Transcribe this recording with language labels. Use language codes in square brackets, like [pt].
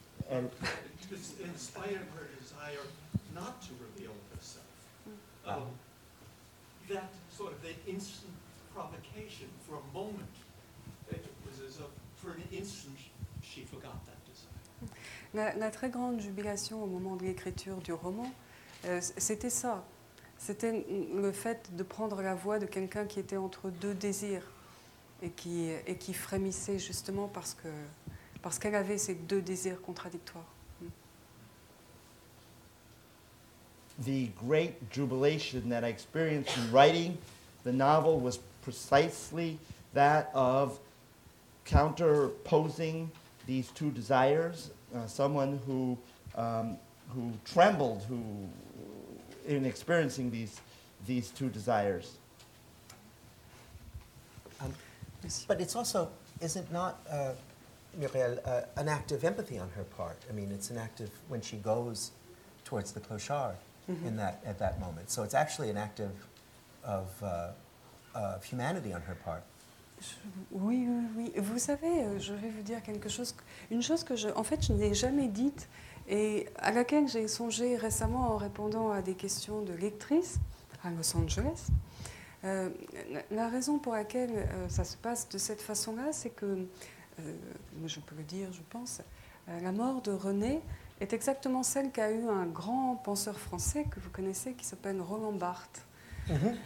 [en] in spite of her desire not to reveal herself, that sort of that instant provocation for a moment, it was as if for an instant she forgot that desire. [fr] La très grande jubilation au moment de l'écriture du roman, c'était ça. C'était le fait de prendre la voix de quelqu'un qui était entre deux désirs. et qui frémissait justement parce qu'elle avait ces deux désirs contradictoires. [en] The great jubilation that I experienced in writing the novel was precisely that of counterposing these two desires. Someone who trembled, who in experiencing these two desires. But it's also, is it not, Muriel, an act of empathy on her part? I mean, it's an act of when she goes towards the clochard. Mm-hmm. at that moment. So it's actually an act of humanity on her part. [fr] Oui. Vous savez, je vais vous dire quelque chose. Une chose que je n'ai jamais dite et à laquelle j'ai songé récemment en répondant à des questions de lectrices à Los Angeles. La raison pour laquelle ça se passe de cette façon-là, c'est que, je peux le dire, je pense, la mort de René est exactement celle qu'a eue un grand penseur français que vous connaissez qui s'appelle Roland Barthes. Mm-hmm.